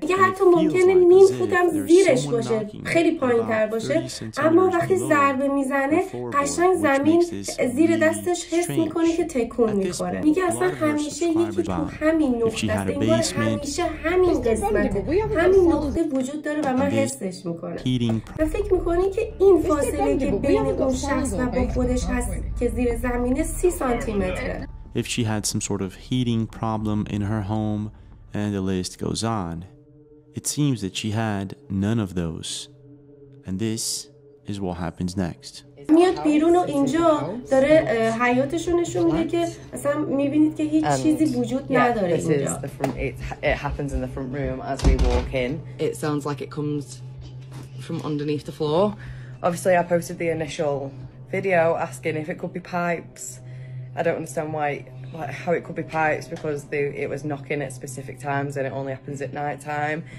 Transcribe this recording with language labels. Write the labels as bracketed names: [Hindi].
[Persian] میگه حتی ممکنه نیم فوتم زیرش باشه، خیلی پایین تر باشه، اما وقتی ضربه میزنه قشنگ زمین زیر دستش حس میکنه که تکون میخوره. میگه اصلا همیشه یکی تو همین نقطه است، انگار همیشه همین قسمته، همین نقطه وجود داره و من حسش میکنم. و فکر میکنی که این فاصله که بین اون شخص و با خودش هست که زیر زمینه 30 سانتی متره. [English] If she had some sort of heating problem in her home, and the list goes on. It seems that she had none of those. And this is what happens next. [Persian] میاد بیرون و اینجا داره حیاتشو نشون میده که اصلا میبینید که هیچ چیزی وجود نداره اینجا. [English] It happens in the front room as we walk in. It sounds like it comes from underneath the floor. Obviously I posted the initial video asking if it could be pipes. I don't understand why like how it could be pipes because the it was knocking at specific times and it only happens at night time.